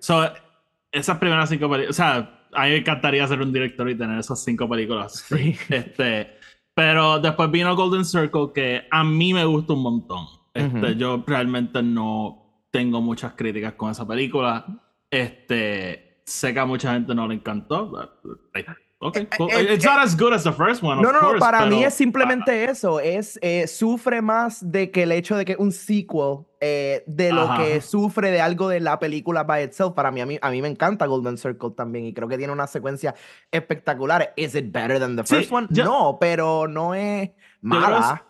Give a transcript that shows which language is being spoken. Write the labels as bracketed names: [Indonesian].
[Spanish] So, esas primeras cinco películas... O sea, a mí me encantaría ser un director y tener esas cinco películas. Sí. Pero después vino Golden Circle, que a mí me gustó un montón. Yo realmente no tengo muchas críticas con esa película. Sé que a mucha gente no le encantó. [English] It's not as good as the first one, [Spanish] Course, para mí es simplemente eso. Sufre más de que el hecho de que un sequel de lo que sufre de algo de la película [English] by itself. [Spanish] Para mí, a mí me encanta Golden Circle también y creo que tiene una secuencia espectacular. [English] ¿Is it better than the first one? [Spanish] Yo, no, pero no es mala.